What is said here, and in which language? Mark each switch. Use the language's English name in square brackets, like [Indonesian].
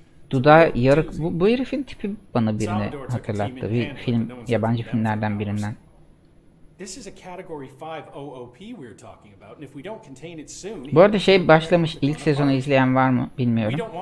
[Turkish] Dudağı yarık. Bu herifin tipi bana birini hatırlattı. Bir film, yabancı filmlerden birinden. [English] This is a category 5 OOP we're talking about and if we don't contain it soon. [Turkish] Bu arada şey başlamış, ilk sezonu izleyen var mı bilmiyorum.